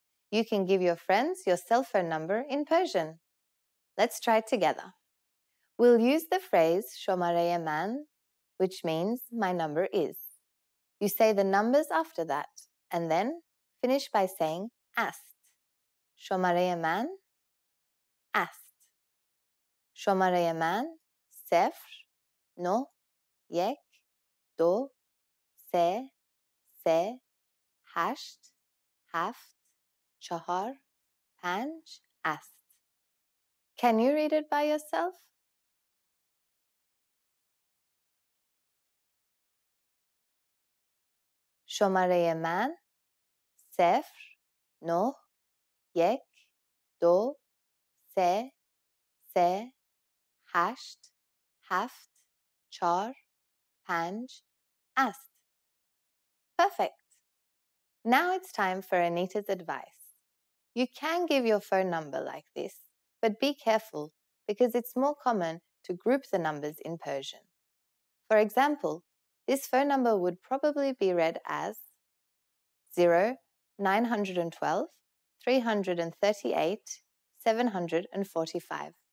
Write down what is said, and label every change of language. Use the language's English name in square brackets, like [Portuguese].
[English] You can give your friends your cell phone number in Persian. Let's try it together. We'll use the phrase shomareye man, which means my number is. You say the numbers after that and then finish by saying ast. [Persian] Shomareye man. است. شماره من صفر نو یک دو سه هشت هفت چهار پنج است. Can you read it by yourself? شماره من صفر نو یک دو سه هشت هفت چار پنج است. [English] Perfect. Now it's time for Anita's advice. You can give your phone number like this, but be careful because it's more common to group the numbers in Persian. For example, this phone number would probably be read as 0 912 338 745.